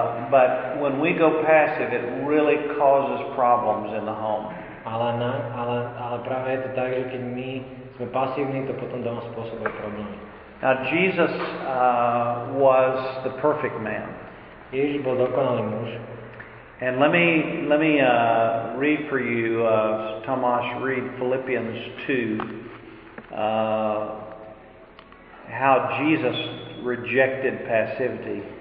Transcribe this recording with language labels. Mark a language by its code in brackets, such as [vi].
[en] But when we go passive, it really causes problems in the home. [sk] Ale práve je to tak, že keď my sme pasívni, to potom doma spôsobuje problémy. [en] Now Jesus was the perfect man. [sk] Ježiš bol dokonalý muž. [en] And let me read for you, Tomáš, read Philippians 2, how Jesus rejected passivity.